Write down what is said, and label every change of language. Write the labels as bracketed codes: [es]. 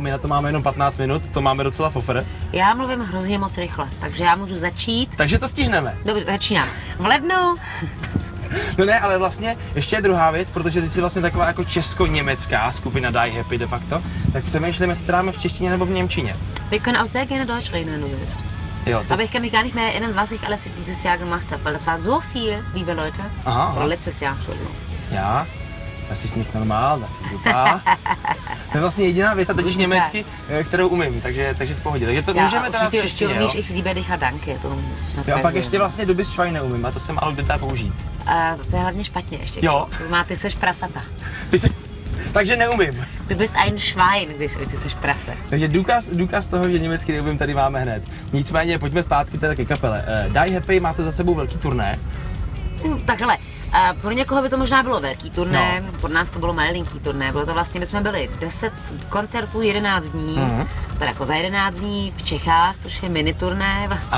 [cs] My na to máme jenom 15 minut, to máme docela fofr. Já mluvím hrozně moc rychle, takže já můžu začít. Takže to stihneme. Dobře, začínám. V lednu. No ne, ale vlastně ještě je druhá věc, protože ty jsi vlastně taková jako česko-německá skupina Die Happy de facto, tak přemýšlíme, jestli dáme v češtině nebo v němčině. [de] Wir können auch sehr gerne Deutsch reden, wenn du willst. [cs] Jo. [de] Aber ich kann mich gar nicht mehr erinnern, was ich alles dieses Jahr gemacht habe, weil das war so viel, liebe Leute. Aha. Oder letztes Jahr, Entschuldigung. Ja. Das ist nicht normal, das ist super. [cs] To je vlastně jediná věta totiž německy, kterou umím, takže v pohodě. Takže to já můžeme teda v češtině, ještě jo? Umíš [de] ich liebe dich [cs] a [de] danke. [cs] To já pak ještě vlastně [de] dubis schwein [cs] neumím a to jsem ale dá použít. To je hlavně špatně ještě. Jo. Má, ty seš prasata. Takže neumím. [de] Du bist ein Schwein, [cs] když ty seš prase. Takže důkaz toho, že německy neumím, tady máme hned. Nicméně, pojďme zpátky teda ke kapele. Die Happy, máte za sebou velký turné. Takhle. Pro někoho by to možná bylo velký turné, no. Pro nás to bylo malinký turné, bylo to vlastně, my jsme byli 10 koncertů 11 dní, teda jako za 11 dní v Čechách, což je mini turné vlastně.